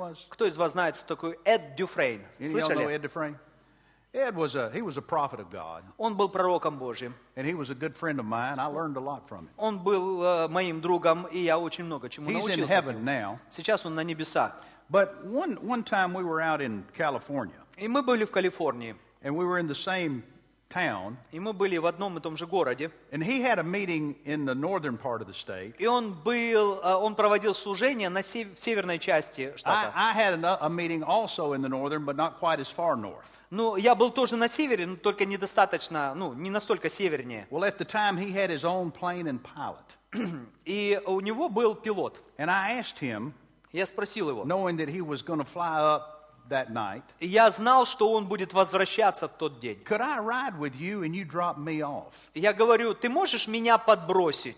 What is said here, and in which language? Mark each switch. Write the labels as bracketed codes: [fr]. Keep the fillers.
[ru] Кто из вас знает, кто такой Эд Дюфрейн? Слышали? [en] Ed was a, he was a prophet of God. [ru] Он был пророком Божьим. [en] And he was a good friend of mine. I learned a lot from him. [ru] Он был моим другом, и я очень много чему научился. [en] He's in heaven now. [ru] Сейчас он на небесах. [en] But one, one time we were out in California. [ru] И мы были в Калифорнии. [en] And we were in the same town. [ru] И мы были в одном и том же городе. [en] And he had a meeting in the northern part of the state. [ru] И он был, он проводил служение на северной части штата. [en] I, had a meeting also in the northern, but not quite as far north. [ru] Ну, я был тоже на севере, но только недостаточно, ну, не настолько севернее. [en] Well, at the time he had his own plane and pilot. [ru] и у него был пилот. [en] And I asked him. [ru] Я спросил его. [en] Knowing that he was going to fly up that night. [ru] Я знал, что он будет возвращаться в тот день. [en] Could I ride with you and you drop me off? [ru] Я говорю, ты можешь меня подбросить?